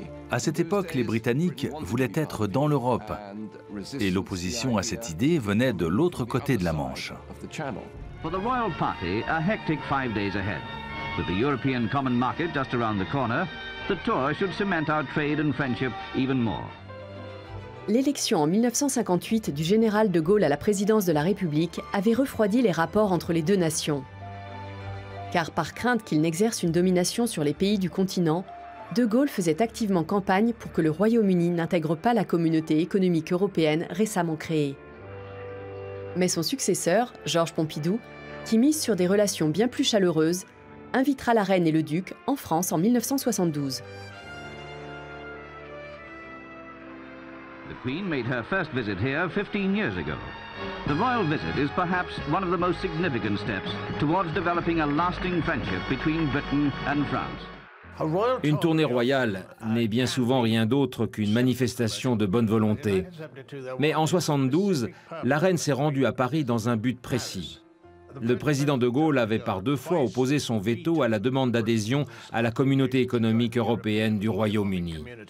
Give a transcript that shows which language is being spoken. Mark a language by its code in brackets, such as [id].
[fr] À cette époque, les Britanniques voulaient être dans l'Europe et l'opposition à cette idée venait de l'autre côté de la Manche. [en] For the royal party, a hectic 5 days ahead. With the European Common Market just around the corner, the tour should cement our trade and friendship even more. [fr] L'élection en 1958 du général de Gaulle à la présidence de la République avait refroidi les rapports entre les deux nations. Car par crainte qu'il n'exerce une domination sur les pays du continent, de Gaulle faisait activement campagne pour que le Royaume-Uni n'intègre pas la communauté économique européenne récemment créée. Mais son successeur, Georges Pompidou, qui mise sur des relations bien plus chaleureuses, invitera la reine et le duc en France en 1972. [en] The Queen made her first visit here 15 years ago. The royal visit is perhaps one of the most significant steps towards developing a lasting friendship between Britain and France. [fr] Une tournée royale n'est bien souvent rien d'autre qu'une manifestation de bonne volonté. Mais en 72, la reine s'est rendue à Paris dans un but précis. Le président de Gaulle avait par deux fois opposé son veto à la demande d'adhésion à la communauté économique européenne du Royaume-Uni.